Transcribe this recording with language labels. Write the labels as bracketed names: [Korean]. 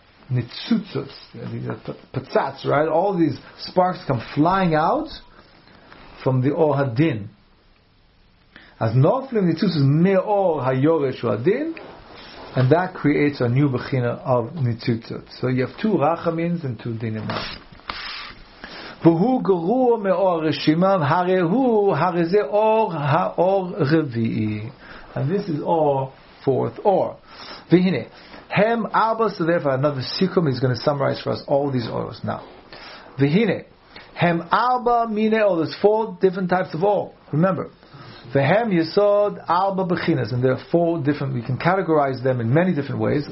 [English] Nitzutzos, these patzats, right? All these sparks come flying out from the or hadin. [Hebrew] As noflim nitzutzos me'or hayoresh hadin, [English] and that creates a new bechina of nitzutzos. So you have two rachamins and two dinim. [Hebrew] והוא גרוע מאור רשימה, הרי הוא, הרי זה אור, האור רביעי. [English] And this is all fourth or. [Hebrew] והנה, הם ארבע סדר, [English] another sikkum is going to summarize for us all these oils now. [Hebrew] והנה, הם ארבע מיני, [English] or there's four different types of oil. Remember, [Hebrew] והם יסוד ארבע בחינס, [English] and there are four different, we can categorize them in many different ways.